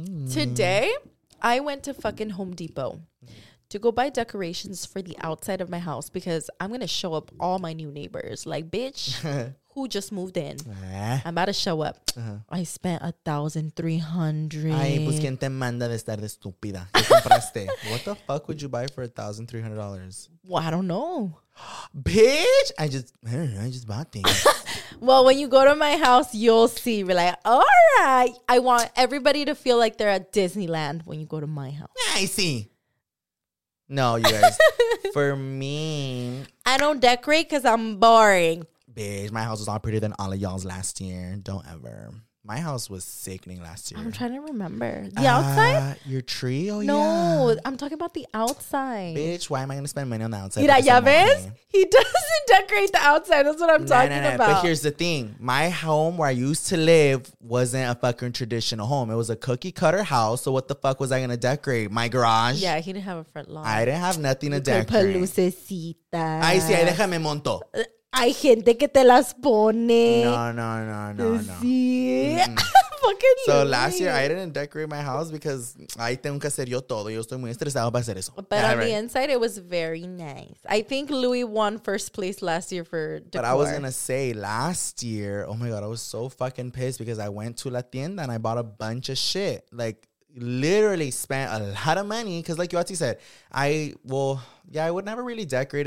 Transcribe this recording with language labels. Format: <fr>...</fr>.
<en>Today, I went to fucking Home Depot to go buy decorations for the outside of my house because I'm going to show up all my new neighbors. Like, bitch, who just moved in? I'm about to show up. Uh-huh. I spent $1,300.</en> <es>Ay, pues, ¿quién te manda de estar de estúpida? ¿Qué compraste?</es> <en>What the fuck would you buy for $1,300? Well, I don't know. Bitch, I just bought things. Well, when you go to my house, you'll see. We're like, all right, I want everybody to feel like they're at Disneyland when you go to my house. Yeah, I see. No, you guys, for me, I don't decorate because I'm boring. Bitch, my house was all prettier than all of y'all's last year. Don't ever. My house was sickening last year. I'm trying to remember. The outside? Your tree? Oh, no, yeah. No, I'm talking about the outside. Bitch, why am I going to spend money on the outside?</en> <es>Mira, ya ves?</es> <en>He doesn't decorate the outside. That's what I'm talking about. But here's the thing. My home where I used to live wasn't a fucking traditional home. It was a cookie cutter house. So what the fuck was I going to decorate? My garage? Yeah, he didn't have a front lawn. I didn't have nothing to decorate.</en> <es>Por lucecitas. Ay, sí, ahí déjame monto. Hay gente que te las pone. No. Sí. Mm-hmm.</es> <en>Fucking so last year, I didn't decorate my house because I</en> <es>tengo que hacer yo todo. Yo estoy muy estresado para hacer eso.</es> <en>But on the inside, it was very nice. I think Louis won first place last year for decor. But I was going to say, last year, oh my God, I was so fucking pissed because I went to</en> <es>la tienda</es> <en>and I bought a bunch of shit. Like, literally spent a lot of money because, like Yoati said, I would never really decorate.</en>